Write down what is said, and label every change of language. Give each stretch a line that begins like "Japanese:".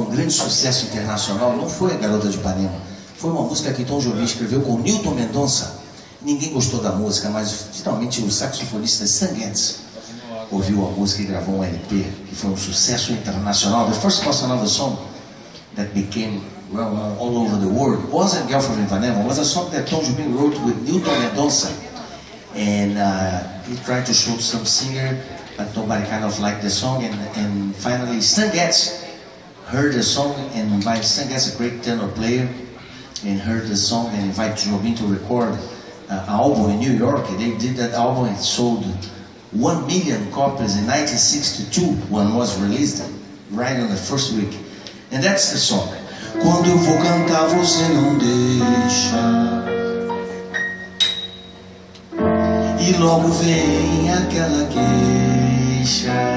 Portuguese: Sucesso internacional não foi a Garota de Ipanema, foi uma música que Tom Jobim escreveu com Newton Mendonça. Ninguém gostou da música, mas finalmente o saxofonista Stan Getz ouviu a música e gravou um LP que foi um sucesso internacional.
English: The first Bossa Nova song that became well known all over the world was a Girl from Ipanema, was a song that Tom Jobim wrote with Newton Mendonça, and he tried to show some singer, but nobody kind of liked the song, and finally Stan Getz heard the song and invited Stan Getz, a great tenor player, and heard the song and invited Jobim to record an album in New York. They did that album and sold 1 million copies in 1962 when it was released, right on the first week. And that's the song.
Portuguese: Quando eu vou cantar, você não deixa. E logo vem aquela queixa.